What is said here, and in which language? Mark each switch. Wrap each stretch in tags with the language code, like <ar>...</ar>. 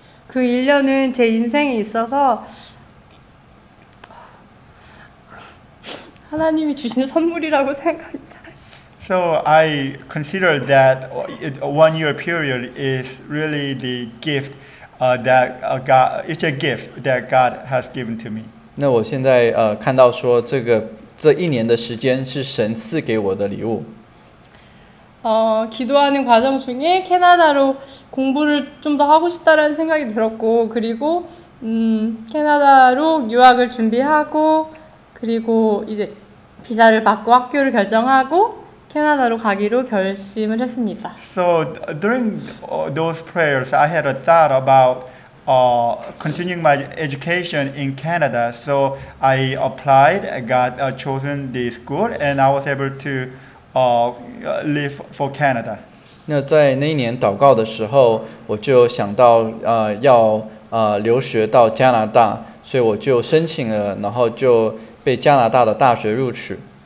<ko>그 1년은 제 인생에 있어서 하나님이 주신 선물이라고 생각합니다.</ko> <en>So I consider that one-year period is really the gift it's a gift that God has given to me.</en> <zh>那我现在看到说这一年的时间是神赐给我的礼物。</zh> <ko>기도하는 과정 중에 캐나다로 공부를 좀 더 하고 싶다라는 생각이 들었고 그리고 캐나다로 유학을 준비하고 그리고 이제 비자를 받고 학교를 결정하고. 캐나다로 가기로 결심을 했습니다.</ko> <en>So during those prayers, I had a thought about continuing my education in Canada. So I applied, got chosen the school, and I was able to live for Canada.</en> <zh>那在那一年祷告的时候，我就想到要留学到加拿大，所以我就申请了，然后就被加拿大的大学录取。</zh>